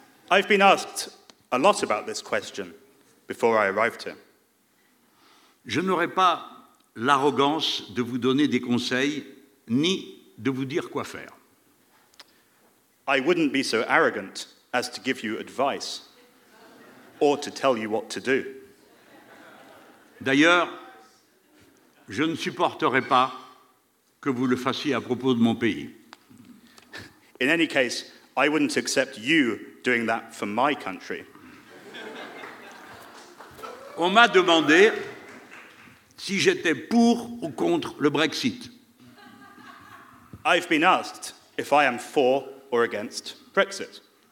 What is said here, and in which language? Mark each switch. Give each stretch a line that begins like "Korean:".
English: I've been asked a lot about this question before I arrived here.
French: Je n'aurai pas l'arrogance de vous donner des conseils ni de vous dire quoi faire.
English: I wouldn't be so arrogant as to give you advice or to tell you what to do.
French: D'ailleurs, je ne supporterai pas que vous le fassiez à propos de mon pays.
English: In any case, I wouldn't accept you doing that for my country.
French: On m'a demandé si j'étais pour ou contre le Brexit.
English: I've been asked if I am for or against Brexit.